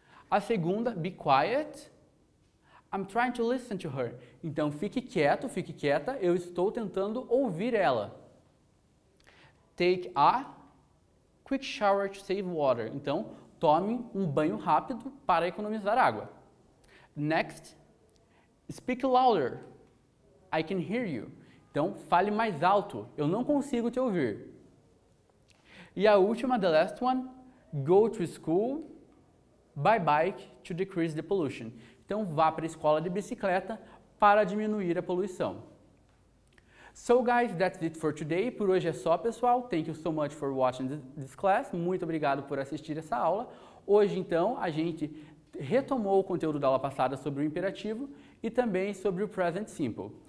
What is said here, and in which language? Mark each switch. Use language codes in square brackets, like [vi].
[pt] A segunda, [en] be quiet, I'm trying to listen to her. [pt] Então, fique quieto, fique quieta, eu estou tentando ouvir ela. [en] Take a quick shower to save water. [pt] Então, tome um banho rápido para economizar água. [en] Next, speak louder. I can hear you. [pt] Então, fale mais alto. Eu não consigo te ouvir. E a última, [en] the last one, go to school by bike to decrease the pollution. [pt] Então, vá para a escola de bicicleta para diminuir a poluição. [en] So, guys, that's it for today. [pt] Por hoje é só, pessoal. [en] Thank you so much for watching this class. [pt] Muito obrigado por assistir essa aula. Hoje, então, a gente retomou o conteúdo da aula passada sobre o imperativo e também sobre o present simple.